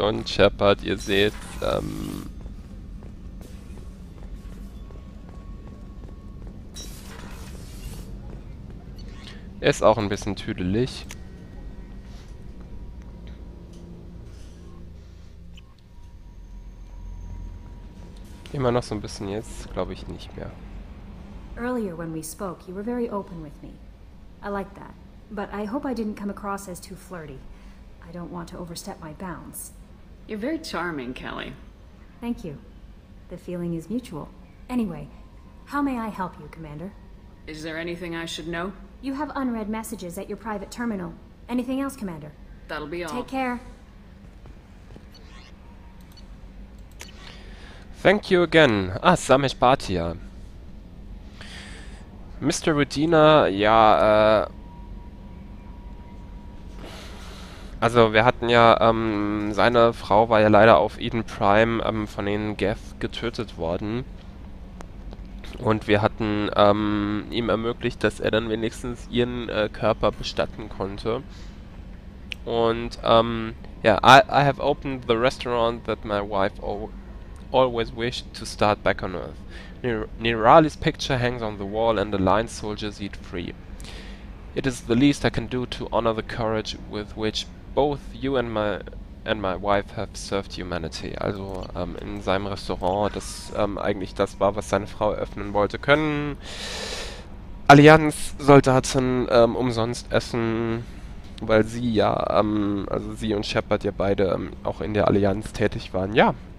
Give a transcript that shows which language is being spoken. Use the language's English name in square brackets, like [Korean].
[German] Und Shepard, ihr seht, ist auch ein bisschen tüdelig. Immer noch so ein bisschen jetzt, glaube ich, nicht mehr. [English] Earlier when we spoke, you were very open with me. I like that. But I hope I didn't come across as too flirty. I don't want to overstep my bounds. You're very charming, Kelly. Thank you. The feeling is mutual. Anyway, how may I help you, Commander? Is there anything I should know? You have unread messages at your private terminal. Anything else, Commander? That'll be all. Take care. Thank you again. Ah, Samish Bhatia. Mr. [German] Rudina, ja, also, wir hatten ja, seine Frau war ja leider auf Eden Prime von den Geth getötet worden. Und wir hatten ihm ermöglicht, dass er dann wenigstens ihren Körper bestatten konnte. Und, [English] I have opened the restaurant that my wife always wished to start back on Earth. Nirali's picture hangs on the wall and the line soldiers eat free. It is the least I can do to honor the courage with which both you and my wife have served humanity. [German] Also in seinem Restaurant, das eigentlich das war, was seine Frau eröffnen wollte, können Allianz-Soldaten umsonst essen, weil sie ja, also sie und Shepard ja beide auch in der Allianz tätig waren. Ja.